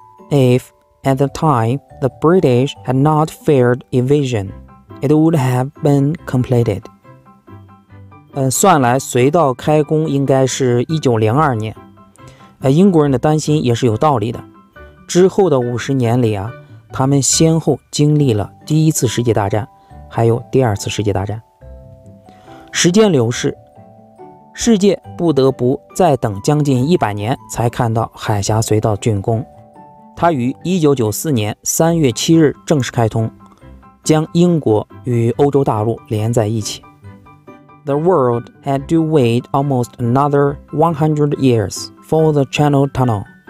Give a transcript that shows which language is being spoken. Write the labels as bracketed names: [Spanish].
[English] If, at the time, the British had not feared invasion, it would have been completed. [Chinese] 算来隧道开工应该是1902年。英国人的担心也是有道理的。之后的50年里啊。他们先后经历了第一次世界大战，还有第二次世界大战。时间流逝，世界不得不再等将近100年才看到海峡隧道竣工。它于1994年3月7日正式开通，将英国与欧洲大陆连在一起。 [English] The world had to wait almost another 100 years for the Channel Tunnel.